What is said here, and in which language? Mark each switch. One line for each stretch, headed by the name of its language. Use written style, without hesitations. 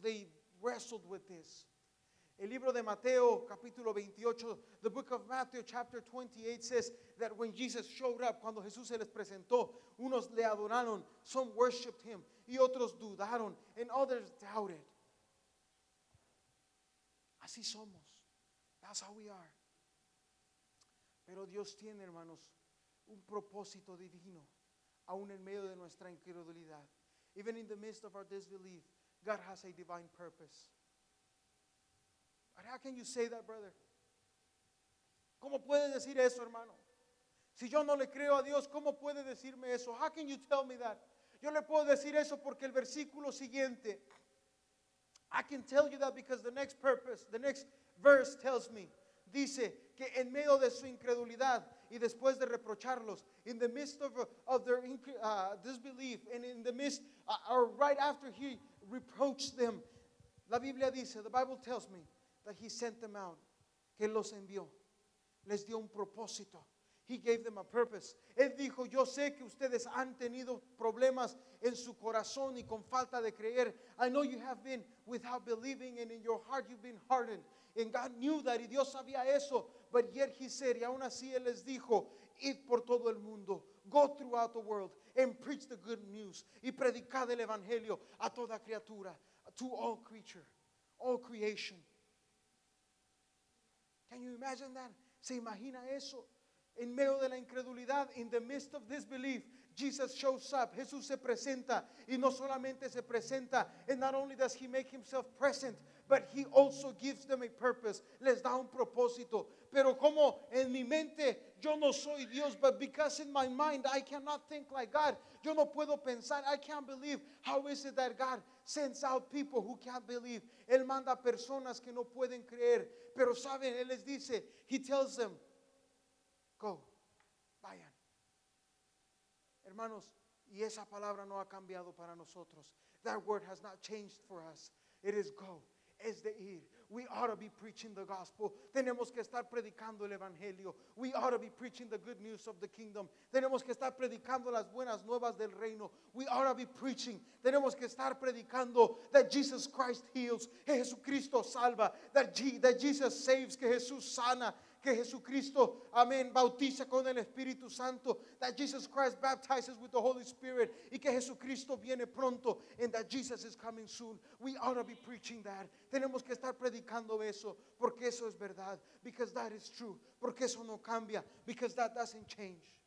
English: They wrestled with this.
Spanish: El libro de Mateo, capítulo 28,
English: the book of Matthew, chapter 28, says that when Jesus showed up,
Spanish: cuando Jesús se les presentó, unos le adoraron,
English: some worshipped him,
Spanish: y otros dudaron,
English: and others doubted.
Spanish: Así somos.
English: That's how we are.
Spanish: Pero Dios tiene, hermanos, un propósito divino, aún en medio de nuestra incredulidad.
English: Even in the midst of our disbelief, God has a divine purpose. But how can you say that, brother?
Spanish: ¿Cómo puedes decir eso, hermano? Si yo no le creo a Dios, ¿cómo puede decirme eso?
English: How can you tell me that?
Spanish: Yo le puedo decir eso porque el versículo siguiente,
English: I can tell you that because the next purpose, the next verse tells me,
Spanish: dice que en medio de su incredulidad y después de reprocharlos,
English: in the midst of their disbelief, and in the midst, or right after he reproached them,
Spanish: la Biblia dice,
English: the Bible tells me, that he sent them out,
Spanish: que los envió, les dio un propósito,
English: he gave them a purpose.
Spanish: Él dijo, yo sé que ustedes han tenido problemas en su corazón y con falta de creer.
English: I know you have been without believing, and in your heart you've been hardened. And God knew that,
Spanish: y Dios sabía eso,
English: but yet he said,
Spanish: y aún así él les dijo, id por todo el mundo,
English: go throughout the world, and preach the good news,
Spanish: y predicad el evangelio a toda criatura,
English: to all creature, all creation. Can you imagine that?
Spanish: ¿Se imagina eso? En medio de la incredulidad,
English: in the midst of disbelief, Jesus shows up,
Spanish: Jesús se presenta, y no solamente se presenta,
English: and not only does he make himself present, but he also gives them a purpose,
Spanish: les da un propósito. Pero como en mi mente, yo no soy Dios,
English: but because in my mind, I cannot think like God,
Spanish: yo no puedo pensar,
English: I can't believe, how is it that God sends out people who can't believe?
Spanish: Él manda personas que no pueden creer, pero saben, él les dice,
English: he tells them, go,
Spanish: vayan. Hermanos, y esa palabra no ha cambiado para nosotros.
English: That word has not changed for us. It is go.
Spanish: Es de ir.
English: We ought to be preaching the gospel.
Spanish: Tenemos que estar predicando el evangelio.
English: We ought to be preaching the good news of the kingdom.
Spanish: Tenemos que estar predicando las buenas nuevas del reino.
English: We ought to be preaching.
Spanish: Tenemos que estar predicando
English: that Jesus Christ heals.
Spanish: Que Jesucristo salva.
English: That Jesus saves.
Spanish: Que Jesús sana. Que Jesucristo, amén, bautiza con el Espíritu Santo.
English: That Jesus Christ baptizes with the Holy Spirit.
Spanish: Y que Jesucristo viene pronto.
English: And that Jesus is coming soon. We ought to be preaching that.
Spanish: Tenemos que estar predicando eso. Porque eso es verdad.
English: Because that is true.
Spanish: Porque eso no cambia.
English: Because that doesn't change.